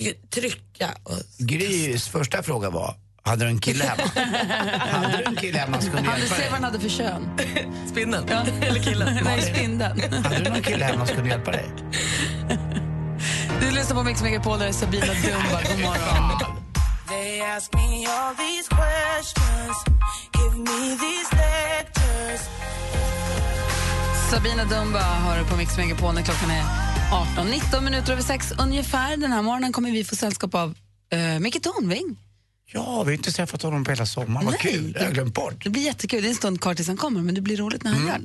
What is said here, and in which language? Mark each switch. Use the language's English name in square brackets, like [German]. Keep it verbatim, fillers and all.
[Swedish] Trycka och... Grys första fråga var... Hade du en kille hemma? Hade du en kille hemma som kunde hade hjälpa dig? Se vad han hade för kön. Spindeln? Ja. Eller killen? Nej, spindeln. Hade du någon kille hemma som kunde hjälpa dig? Du lyssnar på Mix Megapol, där är Sabina Dumba. God morgon. [English] They ask me all these questions. Give me these letters. [Swedish] Sabina Dumba hör på Mix Megapol när klockan är arton nitton minuter över sex ungefär. Den här morgonen kommer vi få sällskap av uh, Micke Tornving. Ja, vi har inte träffat honom på hela sommaren. Vad kul, jag har glömt bort. Det blir jättekul, det är en stund kvar tills han kommer. Men det blir roligt när han mm.